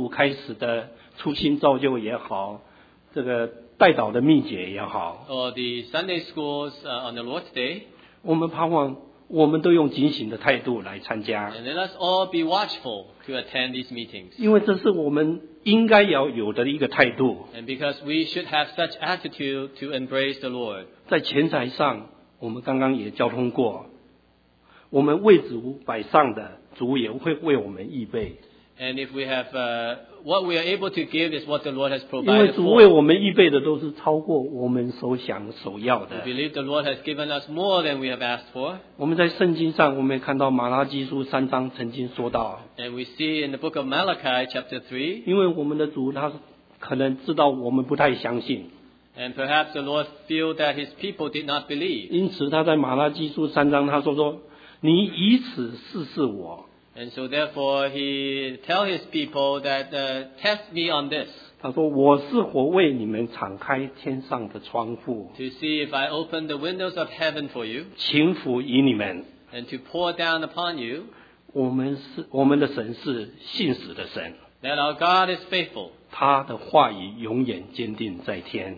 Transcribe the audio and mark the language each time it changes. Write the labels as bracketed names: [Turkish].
[Chinese] 不论是主日上午我们9:25开始的初心造就也好, 这个代祷的秘诀也好, [English] or the Sunday schools on the Lord's Day, [Chinese] 我们盼望我们都用警醒的态度来参加, [English] and let us all be watchful to attend these meetings. [Chinese] 因为这是我们 应该要有的一个态度。 [English] And because we should have such attitude to embrace the Lord. [Chinese] 在钱财上, 我们刚刚也交通过, 我们为主摆上的, 主也会为我们预备。 [English] And if we have, what we are able to give is what the Lord has provided. [Chinese] 因为主为我们预备的都是超过我们所想所要的。 [English] We believe the Lord has given us more than we have asked for. [Chinese] 我们在圣经上, 我们也看到马拉基书3章曾经说到, [English] and we see in the book of Malachi chapter 3. [Chinese] 因为我们的主他可能知道我们不太相信。 [English] And perhaps the Lord feels that his people did not believe. [Chinese] 因此他在马拉基书3章他说说, 你以此试试我。 [English] And so therefore he tell his people that test me on this. [Chinese] 他说我是否为你们敞开天上的窗户, [English] to see if I open the windows of heaven for you, [Chinese] 倾覆于你们, [English] and to pour down upon you. [Chinese] 我们是我们的神是信实的神, [English] that our God is faithful. [Chinese] 他的话语永远坚定在天,